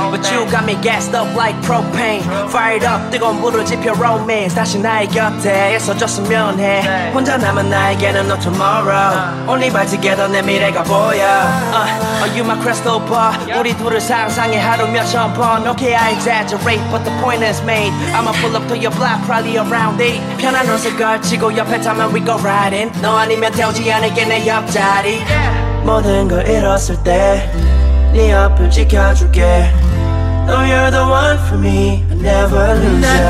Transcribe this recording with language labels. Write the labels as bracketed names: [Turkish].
[English] But you got me gassed up like propane. Fired up, [Korean] 뜨거운 물을 지펴 [English] romance. [Korean] 다시 나의 곁에 있어줬으면 해. 혼자 남은 나에게는 [English] no tomorrow. Only by together [Korean] 내 미래가 보여. [English] Are you my crystal ball? [Korean] 우리 둘을 상상해 하루 몇천 번. [English] Okay, I exaggerate, but the point is made. I'ma pull up to your block, probably around 8. [Korean] 편한 옷을 걸치고 옆에 타면 [English] we go riding. [Korean] 너 아니면 태우지 않을게 내 옆자리. 모든 걸 잃었을 때 네 옆을 지켜줄게. [English] No, you're the one for me. I never lose you.